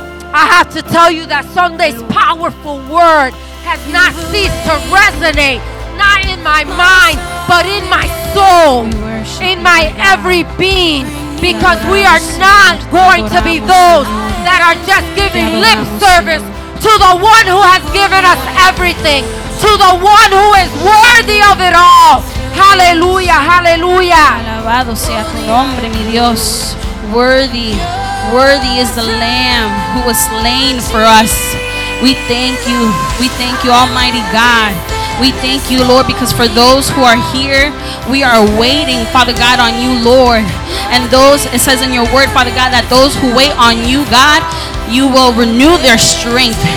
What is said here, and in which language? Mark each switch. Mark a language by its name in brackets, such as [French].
[English] I have to tell you that Sunday's powerful word has not ceased to resonate, not in my mind, but in my soul, in my every being, because we are not going to be those that are just giving lip service to the one who has given us everything, to the one who is worthy of it all. Hallelujah, hallelujah. [Spanish] Alabado sea tu nombre, mi Dios. [English] Worthy, worthy is the Lamb who was slain for us. We thank you. We thank you, Almighty God. We thank you, Lord, because for those who are here, we are waiting, Father God, on you, Lord. And those, it says in your word, Father God, that those who wait on you, God, you will renew their strength.